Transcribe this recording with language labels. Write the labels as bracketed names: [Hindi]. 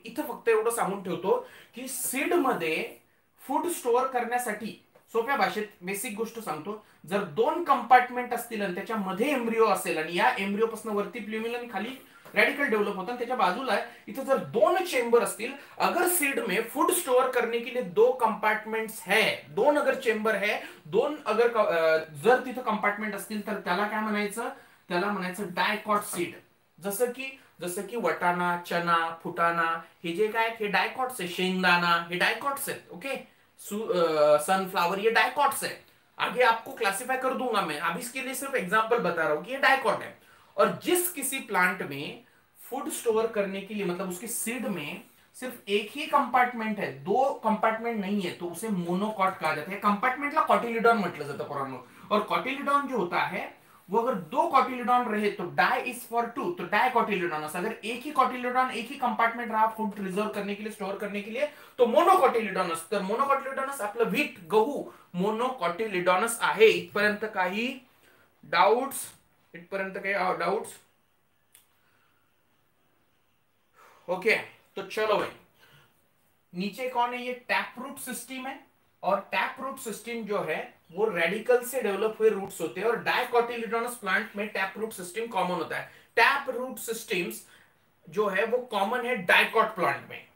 [Marathi] इथं फक्त एवढं सांगून ठेवतो की सीड मध्ये फूड स्टोअर करण्यासाठी, सोप्या भाषेत बेसिक गोष्ट सांगतो, जर दोन कंपार्टमेंट असतील आणि त्याच्यामध्ये एम्ब्रियो असेल आणि या एम्ब्रियो पासून वरती प्लुम्युल आणि खाली रेडिकल डेव्हलप होतात, त्याच्या बाजूला आहे, इथं जर दोन चेंबर असतील, [Hindi] अगर सीड में फूड स्टोअर करने के लिए दो कंपार्टमेंट है, [Marathi] दोन अगर चेंबर है, दोन अगर जर तिथं कंपार्टमेंट असतील तर त्याला काय म्हणायचं, त्याला म्हणायचं डायकॉट सीड। जसं की वटाणा, चना, फुटाणा, हे जे काय हे डायकॉट्स आहे, शेंगदाणा हे डायकॉट्स आहेत, ओके, [Hindi] सनफ्लावर ये डायकॉट्स है। आगे आपको क्लासिफाई कर दूंगा मैं, अभी इसके लिए सिर्फ एग्जाम्पल बता रहा हूं कि ये डायकॉट है। और जिस किसी प्लांट में फूड स्टोर करने के लिए, मतलब उसके सीड में सिर्फ एक ही कंपार्टमेंट है, दो कंपार्टमेंट नहीं है, तो उसे मोनोकॉट कहा जाता है। कंपार्टमेंट ला कॉटिलिडॉन मतलब जाता है पुराने, और कॉटिलिडॉन जो होता है वो अगर दो कॉटिलिडॉन रहे तो [English] di is for two, [Hindi] तो डाई कॉटिलिडॉन। अगर एक ही कॉटिलिडॉन एक ही कंपार्टमेंट रहा फूड रिजर्व करने के लिए, स्टोर करने के लिए, तो मोनोकॉटिलिडॉनस। [Marathi] तर मोनोकॉटिलिडॉनस आपलं व्हीट, गहू मोनोकॉटिलिडॉनस आहे। इथपर्यंत काही डाउट्स, इथपर्यंत काही डाउट्स? [Hindi] ओके, तो चलो भाई, नीचे कौन है, ये टैप रूट सिस्टम है, और टैप रूट सिस्टम जो है वो रेडिकल से डेवलप हुए रूट्स होते हैं, और डायकॉटिलिडॉनस प्लांट में टैप रूट सिस्टम कॉमन होता है। टैप रूट सिस्टम्स जो है वो कॉमन है डायकॉट प्लांट में।